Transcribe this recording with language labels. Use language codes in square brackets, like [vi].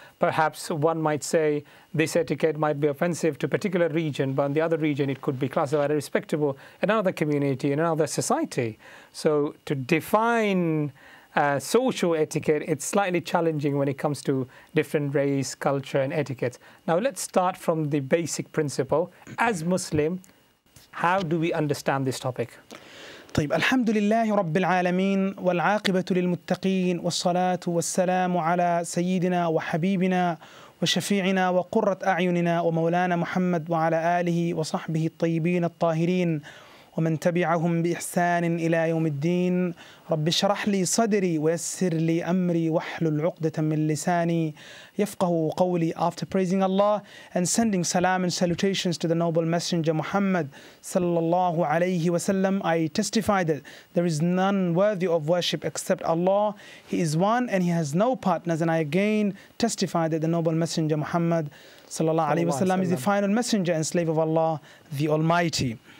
[en] Perhaps one might say this etiquette might be offensive to a particular region, but in the other region it could be classified as respectable in another community, in another society. So to define social etiquette, it's slightly challenging when it comes to different race, culture and etiquette. Now let's start from the basic principle. As Muslim, how do we understand this topic? [ar] طيب الحمد لله رب العالمين والعاقبة للمتقين والصلاة والسلام على سيدنا وحبيبنا وشفيعنا وقرة أعيننا ومولانا محمد وعلى آله وصحبه الطيبين الطاهرين ومن تبعهم بإحسان إلى يوم الدين رب اشرح لي صدري ويسر لي أمري واحلل عقدة من لساني يفقه قولي. [en] After praising Allah and sending salam and salutations to the noble messenger Muhammad sallallahu alayhi wa sallam, I testify that there is none worthy of worship except Allah. He is one and he has no partners. And I again testify that the noble messenger Muhammad sallallahu alayhi wa sallam is the final messenger and slave of Allah, the Almighty.